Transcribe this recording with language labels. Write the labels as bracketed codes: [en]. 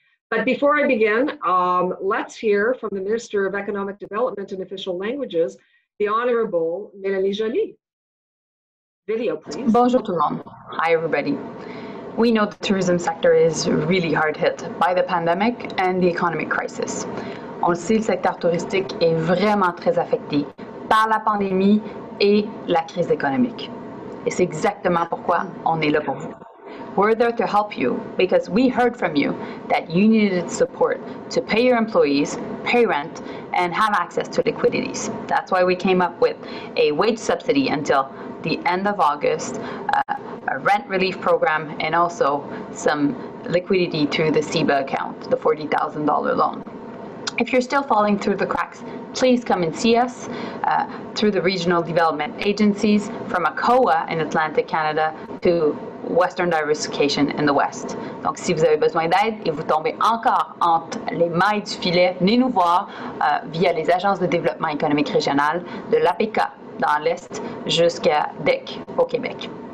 [en] But before I begin, let's hear from the Minister of Economic Development and Official Languages, the Honorable Mélanie Joly. Video, please. [fr] Bonjour tout le monde. [en] Hi, everybody. We know the tourism sector is really hard hit by the pandemic and the economic crisis. [fr] On le sait, le secteur touristique est vraiment très affecté par la pandémie et la crise économique. Et c'est exactement pourquoi on est là pour vous. [en] We're there to help you because we heard from you that you needed support to pay your employees, pay rent, and have access to liquidities. That's why we came up with a wage subsidy until the end of August, a rent relief program, and also some liquidity through the SEBA account, the $40,000 loan. If you're still falling through the cracks, please come and see us through the regional development agencies from ACOA in Atlantic Canada to Western Diversification in the West. [fr] Donc, si vous avez besoin d'aide et vous tombez encore entre les mailles du filet, venez nous voir via les agences de développement économique régional de l'APK dans l'Est jusqu'à DEC au Québec.